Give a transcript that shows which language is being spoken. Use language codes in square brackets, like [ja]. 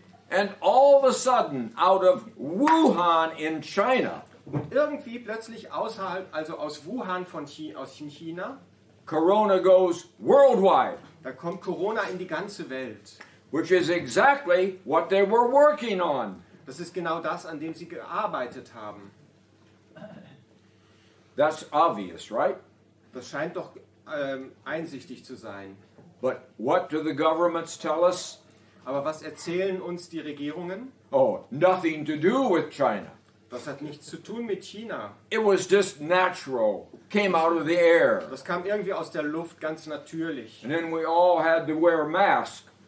[en] And all of a sudden, out of Wuhan in China. [de] Und irgendwie plötzlich außerhalb, also aus Wuhan von China. [en] Corona goes worldwide. [de] Da kommt Corona in die ganze Welt. [en] Which is exactly what they were working on. [de] Das ist genau das, an dem sie gearbeitet haben. [en] That's obvious, right? [de] Das scheint doch einsichtig zu sein. [en] But what do the governments tell us? [de] Aber was erzählen uns die Regierungen? [en] Oh, nothing to do with China. [de] Das hat nichts zu tun mit China. [en] It was just natural. Came out of the air. [de] Das kam irgendwie aus der Luft, ganz natürlich. [en] And then we all had to wear a mask.